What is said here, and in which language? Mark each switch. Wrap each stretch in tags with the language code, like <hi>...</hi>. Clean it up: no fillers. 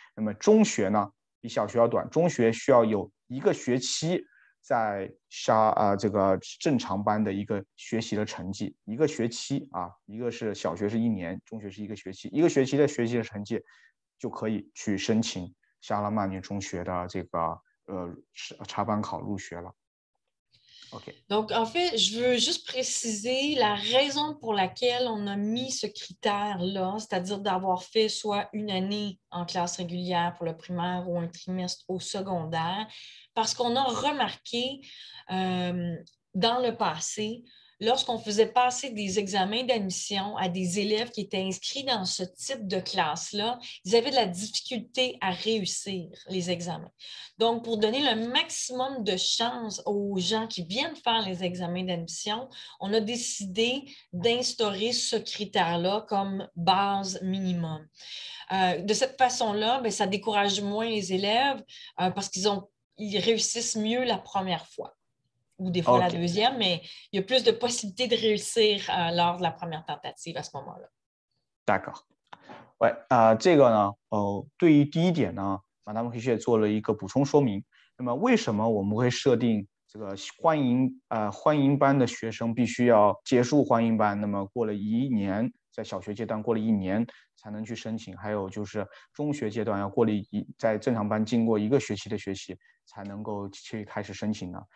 <zh>那么中学呢，比小学要短，中学需要有一个学期在这个正常班的一个学习的成绩，一个学期啊，一个是小学是一年，中学是一个学期，一个学期的学习的成绩就可以去申请沙拉曼尼中学的这个插班考入学了。</zh> <fr>Okay. Donc, en fait, je veux juste préciser la raison pour laquelle on a mis ce critère-là, c'est-à-dire d'avoir fait soit une année en classe régulière pour le primaire ou un trimestre au secondaire, parce qu'on a remarqué dans le passé, lorsqu'on faisait passer des examens d'admission à des élèves qui étaient inscrits dans ce type de classe-là, ils avaient de la difficulté à réussir les examens. Donc, pour donner le maximum de chances aux gens qui viennent faire les examens d'admission, on a décidé d'instaurer ce critère-là comme base minimum. De cette façon-là, bien, ça décourage moins les élèves parce qu'ils réussissent mieux la première fois. Ou des fois okay. la deuxième, mais il y a plus de possibilités de réussir lors de la première tentative à ce moment-là. D'accord.</fr> <zh>Ouais, 这个呢，对于第一点呢，马达蒙黑雪做了一个补充说明。那么为什么我们会设定这个欢迎班的学生必须要结束欢迎班，那么过了一年，在小学阶段过了一年才能去申请，还有就是中学阶段要过了在正常班经过一个学期的学习才能够去开始申请呢？</zh>